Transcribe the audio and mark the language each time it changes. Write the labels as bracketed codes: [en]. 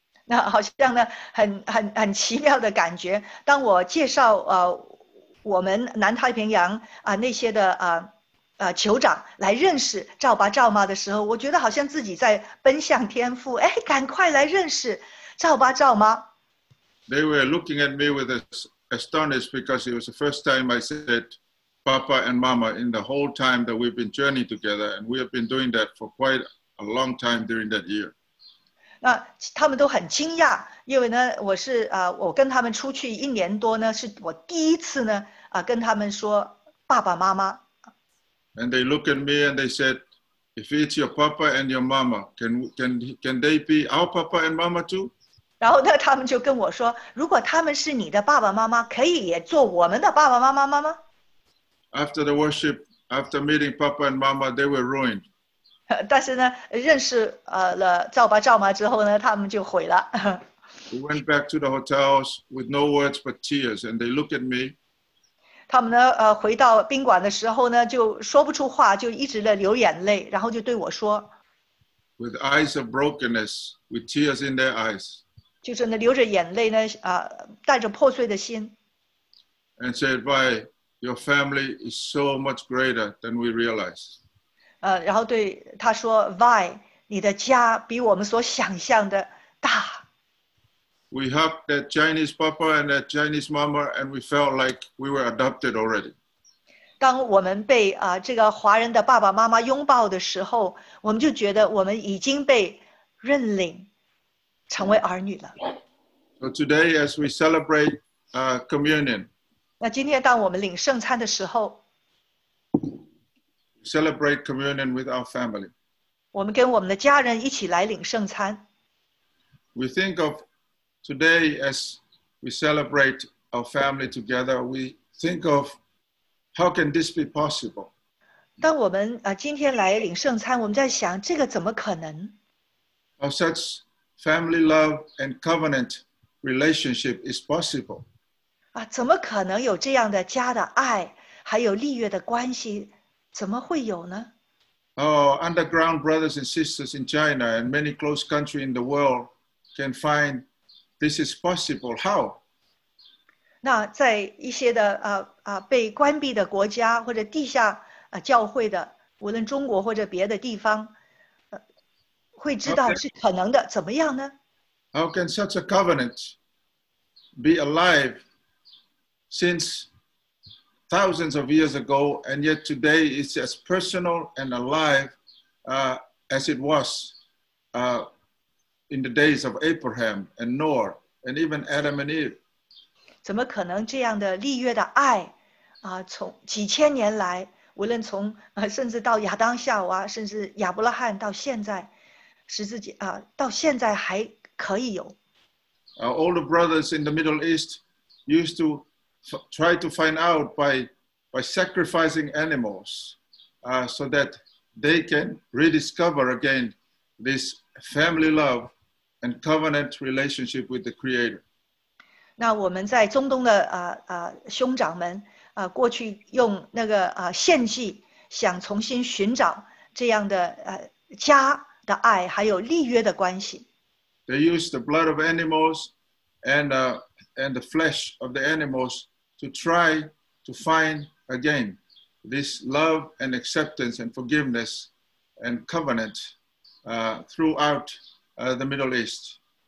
[zh] 那好像呢, 很奇妙的感觉, 当我介绍, 我们南太平洋, 那些的, 酋长, 来认识赵爸赵妈的时候, 我觉得好像自己在奔向天父, 诶, 赶快来认识赵爸赵妈。 [en] They were looking at me with astonishment because it was the first time I said Papa and Mama in the whole time that we've been journeying together, and we have been doing that for quite a long time during that year. [zh] 那他们都很惊讶, 因为呢, 我是, 我跟他们出去一年多呢, 是我第一次呢, 跟他们说, 爸爸妈妈。 [en] And they look at me and they said, if it's your papa and your mama, can they be our papa and mama too? [zh] 然后呢,他们就跟我说, 如果他们是你的爸爸妈妈, 可以也做我们的爸爸妈妈吗? [en] After the worship, after meeting papa and mama, they were ruined. [zh] 但是呢, 认识, 了赵爸赵妈之后呢, 他们就毁了。 [en] We went back to the hotels with no words but tears, and they looked at me. [zh] 他们呢, 回到宾馆的时候呢, 就说不出话, 就一直的流眼泪, 然后就对我说, [en] with eyes of brokenness, with tears in their eyes. [zh] 就是呢, 流着眼泪呢, 带着破碎的心, [en] and said, why, your family is so much greater than we realize. [zh] 然后对他说, Vi, 你的家比我们所想象的大。 [en] We hugged that Chinese papa and that Chinese mama, and we felt like we were adopted already. [zh] 当我们被, 这个华人的爸爸妈妈拥抱的时候, 我们就觉得我们已经被认领成为儿女了。 [en] So today, as we celebrate communion, [zh] 那今天当我们领圣餐的时候, [en] celebrate communion with our family. [zh] 我们跟我们的家人一起来领圣餐。 [en] We think of today as we celebrate our family together, we think of how can this be possible? [zh] 当我们, 今天来领圣餐, 我们在想, 这个怎么可能? [en] How such family love and covenant relationship is possible? [zh] 怎么可能有这样的家的爱, 还有立约的关系? 怎么会有呢? [en] Oh, underground brothers and sisters in China and many close countries in the world can find this is possible. How? [zh] 那在一些的, 被关闭的国家, 或者地下, 教会的, 无论中国或者别的地方, 会知道是可能的, 怎么样呢? [en] How can such a covenant be alive since thousands of years ago, and yet today it's as personal and alive as it was in the days of Abraham and Noah and even Adam and Eve. [zh] 怎么可能这样的立约的爱, 从几千年来, 无论从, 甚至到亚当夏娃, 甚至亚伯拉罕到现在, 十字节, 到现在还可以有。 [en] Our older brothers in the Middle East used to try to find out by sacrificing animals so that they can rediscover again this family love and covenant relationship with the Creator. [zh] 那我们在中东的兄长们过去用那个献祭，想重新寻找这样的家的爱，还有立约的关系。 [en] They used the blood of animals and the flesh of the animals to try to find again this love and acceptance and forgiveness and covenant throughout the Middle East.